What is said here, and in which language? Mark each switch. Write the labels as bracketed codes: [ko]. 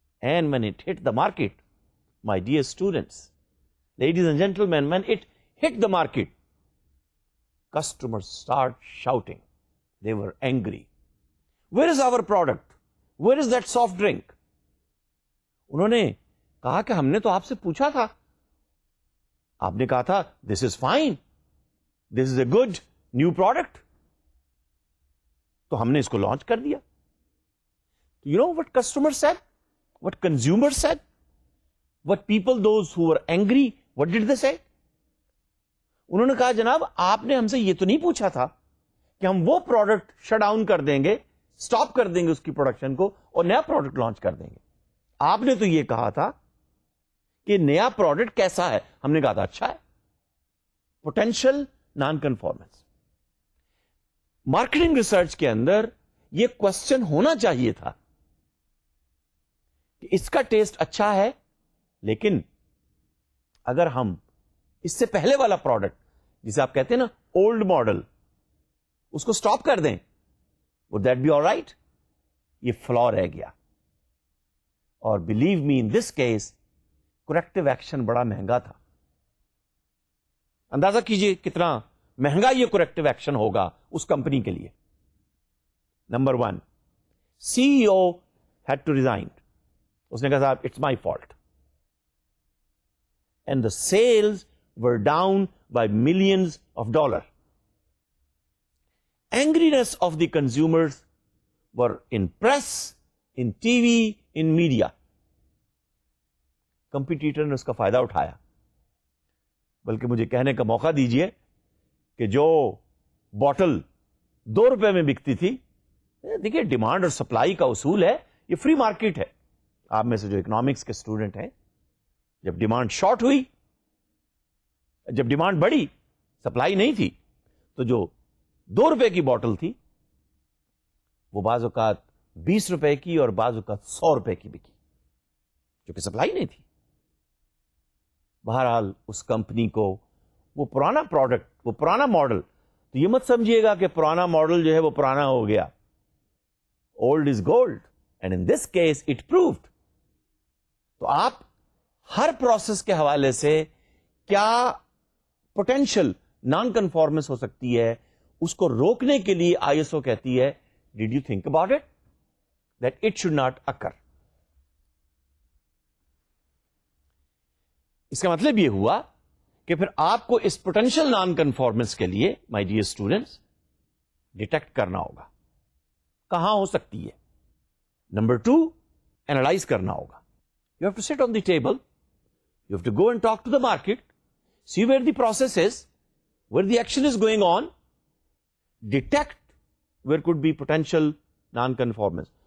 [en] And when it hit the market, my dear students, ladies and gentleman, when it hit the market customer start shouting, they were angry, where is our product, where is that soft drink. [ur] انہوں نے کہا کہ ہم نے تو آپ سے پوچھا تھا, آپ نے کہا تھا [en] this is fine, this is a good new product, [ur] تو ہم نے اس کو لانچ کر دیا. [en] You know what customers said, what consumers said, what people, those who were angry, what did they say? [ur] انہوں نے کہا جناب آپ نے ہم سے یہ تو نہیں پوچھا تھا کہ ہم وہ پروڈکٹ شٹ ڈاؤن کر دیں گے, اسٹاپ کر دیں گے اس کی پروڈکشن کو اور نیا پروڈکٹ لانچ کر دیں گے. آپ نے تو یہ کہا تھا کہ نیا پروڈکٹ کیسا ہے. ہم نے کہا تھا اچھا ہے. Potential naan conformance. Marketing research کے اندر یہ کوشچن ہونا چاہیے تھا کہ اس کا ٹیسٹ اچھا ہے, لیکن اگر ہم اس سے پہلے والا پروڈکٹ جسے آپ کہتے ہیں نا اولڈ ماڈل, اس کو اسٹاپ کر دیں, [en] Would that be all right. [ur] یہ فلو رہ گیا. [en] اور believe me in this case corrective action [ur] بڑا مہنگا تھا. اندازہ کیجئے کتنا مہنگا یہ کریکٹو ایکشن ہوگا اس کمپنی کے لیے. [en] Number one, C E O had to resign. [ur] اس نے کہا صاحب [en] It's my fault. And the sales were down by millions of dollar. Angriness of the consumers were in press, in T V, in media. [ur] Competitor نے اس کا فائدہ اٹھایا, بلکہ مجھے کہنے کا موقع دیجئے کہ جو باٹل 2 روپے میں بکتی تھی, دیکھیے ڈیمانڈ اور سپلائی کا اصول ہے, یہ فری مارکیٹ ہے. آپ میں سے جو اکنامکس کے اسٹوڈنٹ ہیں جب ڈیمانڈ شارٹ ہوئی, جب ڈیمانڈ بڑھی, سپلائی نہیں تھی, تو جو 2 روپے کی بوٹل تھی وہ بعض اوقات 20 روپے کی اور بعض اوقات 100 روپے کی بکی, کیونکہ سپلائی نہیں تھی. بہرحال اس کمپنی کو وہ پرانا پروڈکٹ, وہ پرانا ماڈل, تو یہ مت سمجھیے گا کہ پرانا ماڈل جو ہے وہ پرانا ہو گیا. [en] Old is gold, and in this case it proved. [ur] تو آپ ہر پروسیس کے حوالے سے کیا پوٹینشیل نان کنفارمنس ہو سکتی ہے اس کو روکنے کے لیے ISO کہتی ہے, [en] Did you think about it that it should not occur. [ur] اس کا مطلب یہ ہوا کہ پھر آپ کو اس پوٹینشیل نان کنفارمنس کے لیے, [en] my dear students, [ur] ڈیٹیکٹ کرنا ہوگا کہاں ہو سکتی ہے. [en] number 2, analyse [ur] کرنا ہوگا. [en] You have to sit on the table, you have to go and talk to the market, see where the process is, where the action is going on, detect where could be potential non conformance.